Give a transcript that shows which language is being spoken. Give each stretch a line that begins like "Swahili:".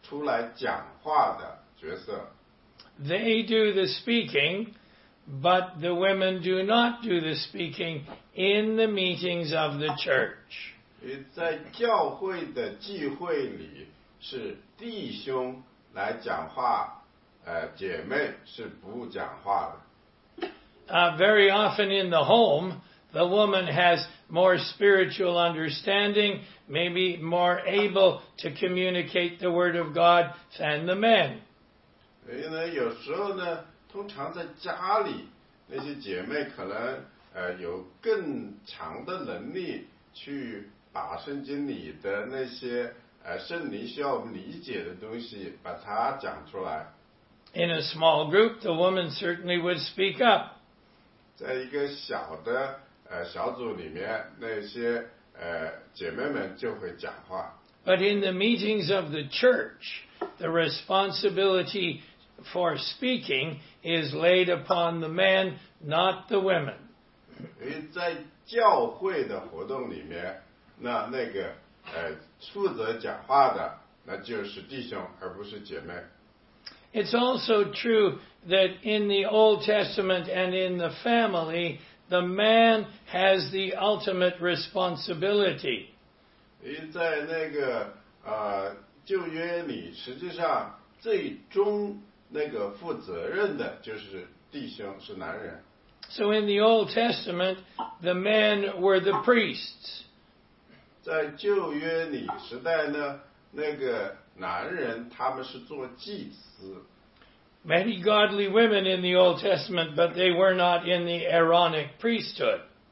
Chinese: 在教会里聚会的时候，弟兄是那个出来讲话的角色。
English: They do the speaking, but the women do not do the speaking in the meetings of the church.
Chinese: 在教会的聚会里是弟兄
English: Very often in the home, the woman has more spiritual understanding, maybe more able to communicate the word of God than the men.
Chinese: 所以呢，有时候呢，通常在家里，那些姐妹可能有更强的能力去把圣经里的那些圣灵需要我们理解的东西把它讲出来。
English: In a small group, the woman certainly would speak up.
Chinese: 在一个小的小组里面，那些姐妹们就会讲话。
English: But in the meetings of the church, the responsibility for speaking is laid upon the men, not the women.
Chinese: 在教会的活动里面，那个负责讲话的，那就是弟兄，而不是姐妹。
English: It's also true that in the Old Testament and in the family, the man has the ultimate responsibility.
Chinese: 在那个旧约里，实际上最终那个负责任的就是弟兄，是男人。
English: So in the Old Testament, the men were the priests.
Chinese: 在旧约里时代呢，那个男人他们是做祭司。
English: Many godly women in the Old Testament, but they were not in the Aaronic priesthood.